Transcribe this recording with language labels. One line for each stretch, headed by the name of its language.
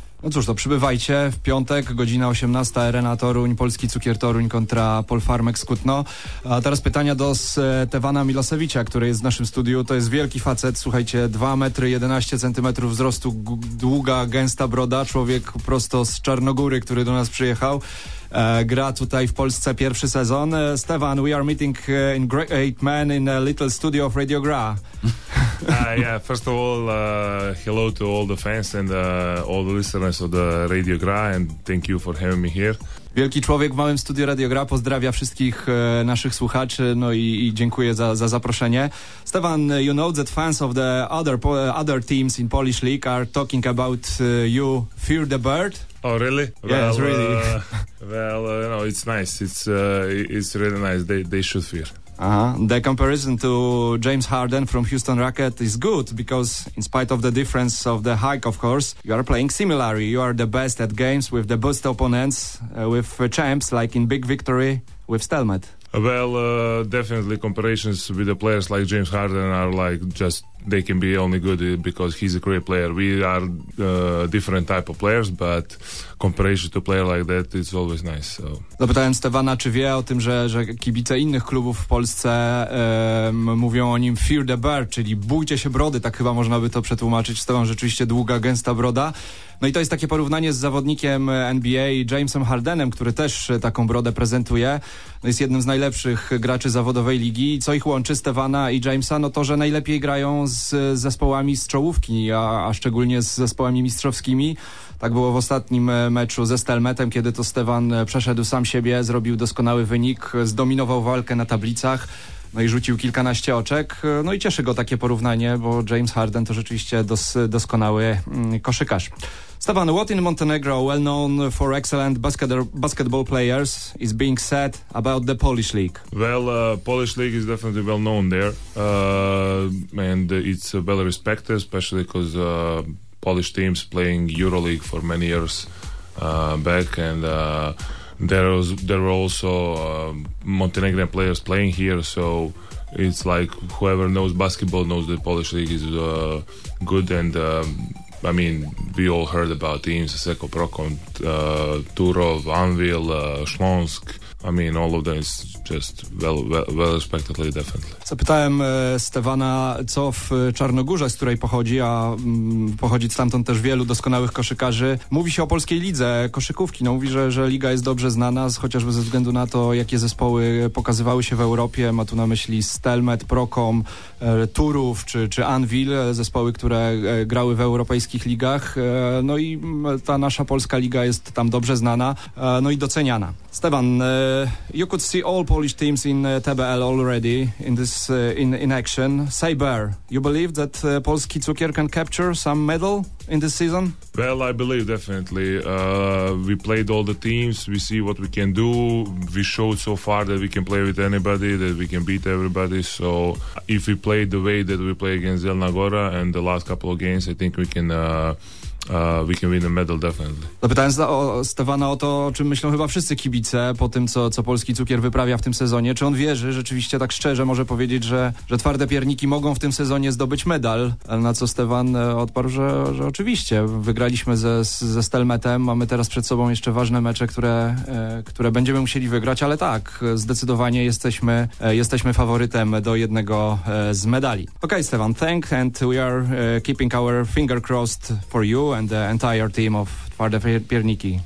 Polish: No cóż, to przybywajcie w piątek, godzina 18, Arena Toruń, polski cukier Toruń kontra Polpharmax Kutno. A teraz pytania do Stefana Miloszewicza, który jest w naszym studiu. To jest wielki facet, słuchajcie, 2 metry, 11 centymetrów wzrostu, długa, gęsta broda, człowiek prosto z Czarnogóry, który do nas przyjechał. Gra tutaj w Polsce pierwszy sezon.
English: Stefan, we are meeting in great man in a little studio of Radio Gra. Yeah, first of all, hello to all the fans and all the listeners of the Radio Gra and thank you for having me here.
Polish: Wielki człowiek w małym studiu Radio Gra pozdrawia wszystkich naszych słuchaczy, no i dziękuję za zaproszenie.
English: Stefan, you know that fans of the other teams in Polish League are talking about you fear the bird. Oh, really? Yes, well, really. No, it's nice. It's really nice. They should fear. The comparison to James Harden from Houston Rocket is good because in spite of the difference of the hike, of course, you are playing similarly. You are the best at games with the best opponents, with champs, like in big victory with Stelmet. Well, definitely comparisons with the players like James Harden are like just, they can be only good because he's a great player. We are different type of players, but comparison to player like that, it's always nice. So.
Polish: Zapytałem Stefana, czy wie o tym, że kibice innych klubów w Polsce mówią o nim
English: fear the bird,
Polish: czyli bójcie się brody, tak chyba można by to przetłumaczyć. Stefan, rzeczywiście długa, gęsta broda. No i to jest takie porównanie z zawodnikiem NBA, Jamesem Hardenem, który też taką brodę prezentuje. No jest jednym z najlepszych graczy zawodowej ligi. Co ich łączy, Stefana i Jamesa? No to, że najlepiej grają z zespołami z czołówki, a szczególnie z zespołami mistrzowskimi. Tak było w ostatnim meczu ze Stelmetem, kiedy to Stefan przeszedł sam siebie, zrobił doskonały wynik, zdominował walkę na tablicach, no i rzucił kilkanaście oczek. No i cieszy go takie porównanie, bo James Harden to rzeczywiście doskonały koszykarz.
English: Stefan, what in Montenegro, well known for excellent basketball players, is being said about the Polish league? Well, Polish league is definitely well known there, and it's well respected, especially because Polish teams playing Euroleague for many years back, and there were also Montenegrin players playing here, so it's like whoever knows basketball knows the Polish league is good and. I mean, we all heard about teams, Seko Prokon, Turov, Anvil, Śląsk. I mean, all of them is just well respectedly, definitely.
Polish: Zapytałem Stefana, co w Czarnogórze, z której pochodzi, a pochodzi stamtąd też wielu doskonałych koszykarzy. Mówi się o polskiej lidze koszykówki. No, mówi, że liga jest dobrze znana, chociażby ze względu na to, jakie zespoły pokazywały się w Europie. Ma tu na myśli Stelmet, Prokom, Turów czy Anvil, zespoły, które grały w europejskich ligach. No i ta nasza polska liga jest tam dobrze znana, no i doceniana.
English: Stefan, you could see all Polish teams in TBL already in this in action. Saber, you believe that Polski Cukier can capture some medal in this season? Well, I believe definitely. We played all the teams. We see what we can do. We showed so far that we can play with anybody, that we can beat everybody. So if we play the way that we play against Zielona Góra and the last couple of games, I think we can We can win a medal, definitely.
Polish: Zapytając o Stefana o to, o czym myślą chyba wszyscy kibice po tym, co polski cukier wyprawia w tym sezonie. Czy on wierzy, rzeczywiście tak szczerze może powiedzieć, że twarde pierniki mogą w tym sezonie zdobyć medal? Na co Stefan odparł, że oczywiście. Wygraliśmy ze Stelmetem, mamy teraz przed sobą jeszcze ważne mecze, które będziemy musieli wygrać, ale tak, zdecydowanie jesteśmy faworytem do jednego z medali.
English: Okay, Stefan, thank and we are keeping our finger crossed for you and the entire team of Twarde Pierniki.